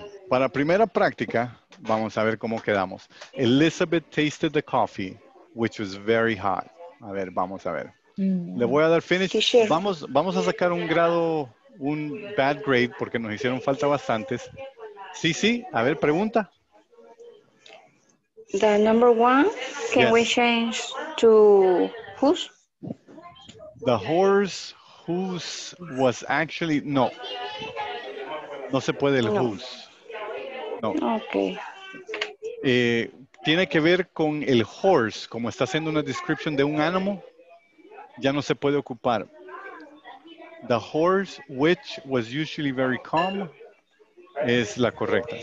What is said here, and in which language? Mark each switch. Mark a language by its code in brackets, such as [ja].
[es] Para primera práctica, vamos a ver cómo quedamos. [en] Elizabeth tasted the coffee, which was very hot. [es] A ver, vamos a ver. Le voy a dar finish. Vamos a sacar un grado, un [en] bad grade, [es] porque nos hicieron falta bastantes. Sí, sí. A ver, pregunta. [en] The number one, can we change to whose? The horse whose was actually, no. [es] No se puede el whose. No. [en] Okay. [es] Tiene que ver con el horse, como está haciendo una description de un animal, ya no se puede ocupar. [en] The horse, which was usually very calm, [es] es la correcta.